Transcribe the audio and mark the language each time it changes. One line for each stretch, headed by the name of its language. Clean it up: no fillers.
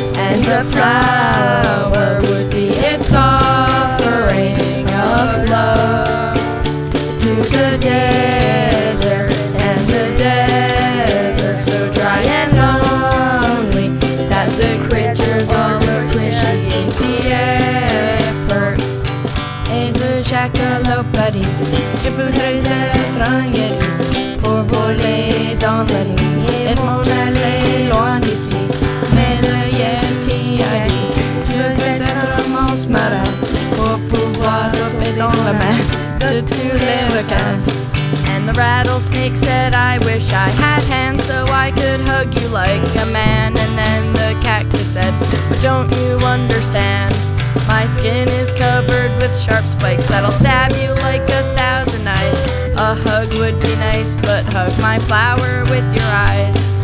English: And the flower would be its offering of love to the desert, and the desert so dry and lonely that the critters all appreciate the effort. Hey, the jackalope buddy,
French: je voudrais être un yeti pour voler dans la nuit et m'en aller loin d'ici. Mais le yeti a dit, je veux être un monstre marin pour pouvoir taper dans la main de tous les requins.
English: And the rattlesnake said, I wish I had hands so I could hug you like a man. And then the cactus said, but don't you understand? My skin is covered with sharp spikes that'll stab you like a thousand knives. A hug would be nice, but hug my flower with your eyes.